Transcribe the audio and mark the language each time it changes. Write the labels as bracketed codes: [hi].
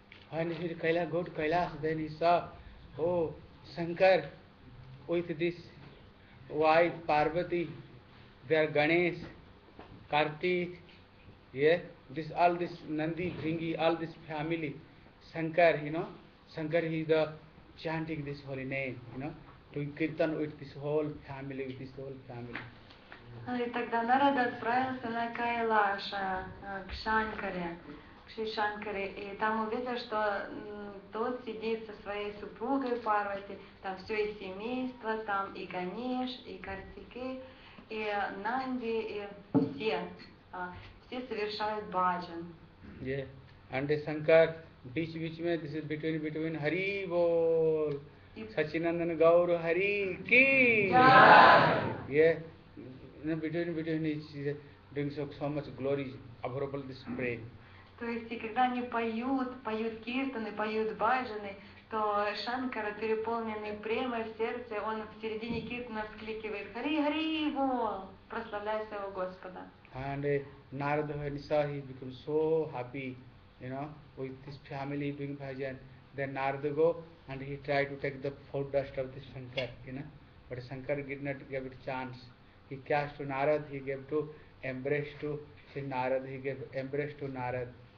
[en] When he Kailas, go to Kailas, then he saw, oh, Shankar with this wife Parvati, their Ganesh, Kartik, yeah. This all this Nandi, Bringi, all this family. Shankar, you know, Shankar is the chanting this holy name, you know, to kirtan with this whole family, with this whole family. [ru] И тогда народ отправился на Кайлаш к Шанкаре, к Шри Шанкаре, и там увидел, что тот сидит со своей супругой Парвати, там все и семейство, там и Ганеш, и Картики, и Нанди, и все, все совершают баджан. [en] Yeah, and Shankar. [hi] Beach mein, [en] this is between Hari Bol, Sachinandan Gaur Hari Ki. Yeah. Between is doing so much glory, adorable this prayer. [ru] То есть, когда они поют, поют киртаны, поют баджаны, то Шанкара, переполненный премой в сердце, он в середине киртана вскликивает Хари Хари Бол, прославляя своего Господа. [en] And Narada Hanisa, he becomes so happy. You know, with this family doing bhajan, then Narada go and he tried to take the foot dust of this Shankar, you know. But Shankar did not give it a chance. He cast to Narada, he gave to embrace to Sri Narada, he gave embrace to Narada.